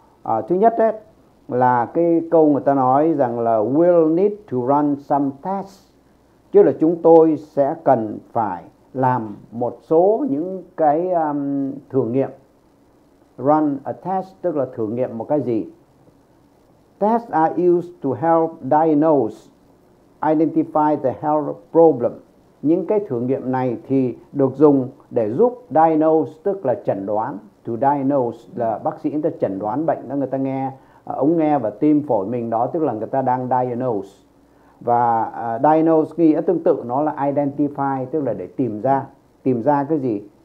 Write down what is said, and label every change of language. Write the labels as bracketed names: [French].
[Vietnamese] Thứ nhất ấy, là cái câu người ta nói rằng là [English] we'll need to run some tests, [Vietnamese] chứ là chúng tôi sẽ cần phải làm một số những cái thử nghiệm. [English] Run a test [Vietnamese] tức là thử nghiệm một cái gì. [English] Tests are used to help diagnose, identify the health problem. [Vietnamese] Những cái thử nghiệm này thì được dùng để giúp diagnose tức là chẩn đoán. To diagnose là bác sĩ người ta chẩn đoán bệnh đó, người ta nghe ống nghe và tim phổi mình đó, tức là người ta đang diagnose. Và diagnose nghĩa tương tự nó là identify, tức là để tìm ra. Tìm ra cái gì?